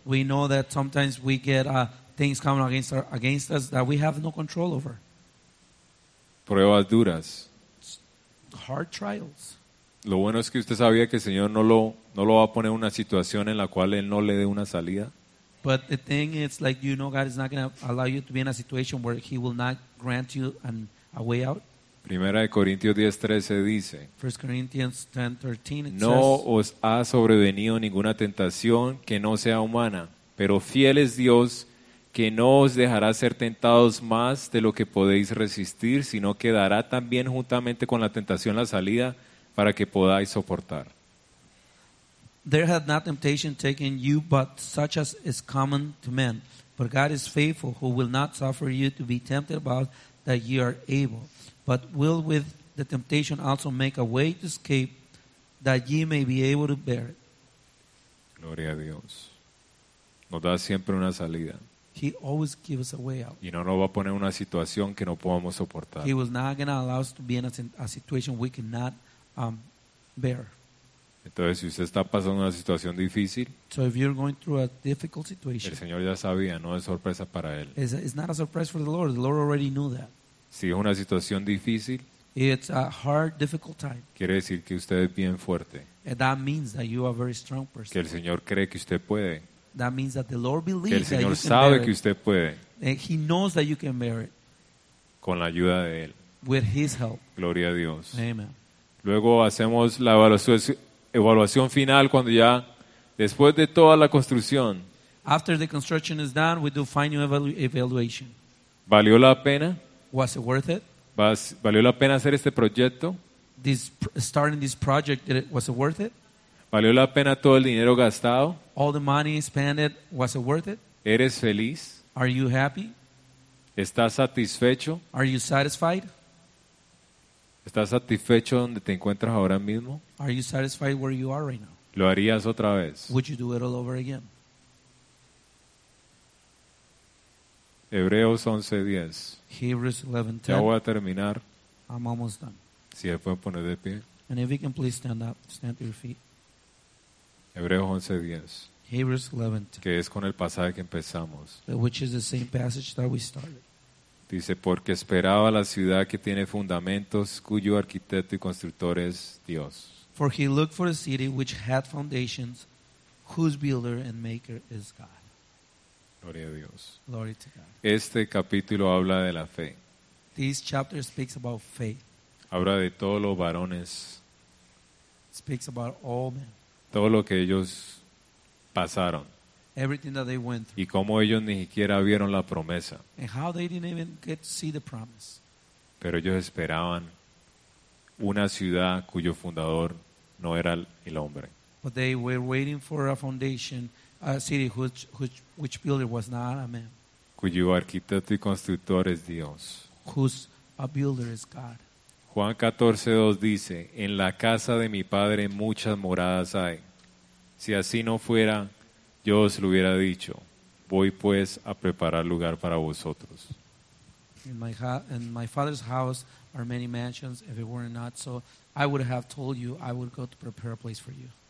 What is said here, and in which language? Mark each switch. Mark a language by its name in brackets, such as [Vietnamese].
[English] We know that sometimes we get things coming against us that we have no control over. [Spanish] Pruebas duras. [English] Hard trials. [Spanish] Lo bueno es que usted sabía que el Señor no lo va a poner en una situación en la cual él no le dé una salida. [English] But the thing is, like, you know, God is not going to allow you to be in a situation where he will not grant you a way out. [Spanish] Primera de Corintios 10:13 dice. [English] 1 Corinthians 10:13 it says. [Spanish] No os ha sobrevenido ninguna tentación que no sea humana, pero fiel es Dios que no os dejará ser tentados más de lo que podéis resistir, sino que dará también juntamente con la tentación la salida para que podáis soportar. [English] There hath not temptation taken you but such as is common to men, but God is faithful, who will not suffer you to be tempted above that ye are able, but will with the temptation also make a way to escape that ye may be able to bear it. [Spanish] Gloria a Dios. Nos da siempre una salida. [English] He always gives us a way out. [Spanish] Y no nos va a poner una situación que no podamos soportar. [English] He was not going to allow us to be in a situation we cannot bear. [Spanish] Entonces, si usted está pasando una situación difícil, [English] so if you're going through a difficult situation, [Spanish] el Señor ya sabía, no es sorpresa para él. [English] It's not a surprise for the Lord. The Lord already knew that. [Spanish] Si es una situación difícil, [English] it's a hard, difficult time. [Spanish] Quiere decir que usted es bien fuerte. [English] And that means that you are a very strong person. [Spanish] Que el Señor cree que usted puede. [English] That means that the Lord believes [Spanish] que el Señor [English] that you [Spanish] sabe [English] can bear [Spanish] que usted puede. [English] And he knows that you can bear it. [Spanish] Con la ayuda de él. [English] With his help. [Spanish] Gloria a Dios. Amen. Luego hacemos la evaluación final cuando ya Después de toda la construcción. [English] After the construction is done, we do final evaluation. [Spanish] ¿Valió la pena? [English] Was it worth it? [Spanish] ¿Valió la pena hacer este proyecto? [English] This starting this project, was it worth it? [Spanish] ¿Valió la pena todo el dinero gastado? [English] All the money spent, was it worth it? [Spanish] ¿Eres feliz? [English] Are you happy? [Spanish] ¿Estás satisfecho? [English] Are you satisfied? [Spanish] ¿Estás satisfecho donde te encuentras ahora mismo? [English] Are you satisfied where you are right now? [Spanish] ¿Lo harías otra vez? [English] Would you do it all over again? [Spanish] Hebreos 11:10. [English] Hebrews 11:10. [Spanish] Ya voy a terminar. [English] I'm almost done. [Spanish] Si se pueden poner de pie. [English] And if you can please stand up, stand to your feet. [Spanish] Hebreos 11:10. [English] Hebrews 11:10. [Spanish] Que es con el pasaje que empezamos. [English] Which is the same passage that we started. [Spanish] Dice, porque esperaba la ciudad que tiene fundamentos, cuyo arquitecto y constructor es Dios. [English] For he looked for a city which had foundations, whose builder and maker is God. [Spanish] Gloria a Dios. [English] Glory to God. [Spanish] Este capítulo habla de la fe. [English] This chapter speaks about faith. [Spanish] Habla de todos los varones. [English] Speaks about all men. [Spanish] Todo lo que ellos pasaron. [English] Everything that they went through. [Spanish] Y cómo ellos ni siquiera vieron la promesa. [English] And how they didn't even get to see the promise. [Spanish] Pero ellos esperaban una ciudad cuyo fundador no era el hombre. [English] But they were waiting for a foundation. A city which builder was not a man. [Spanish] Cuyo arquitecto y constructor es Dios. [English] Whose a builder is God. [Spanish] Juan 14:2 dice, en la casa de mi padre muchas moradas hay. Si así no fuera, yo os lo hubiera dicho. Voy pues a preparar lugar para vosotros. [English] In my father's house are many mansions. If it were not so, I would have told you, I would go to prepare a place for you.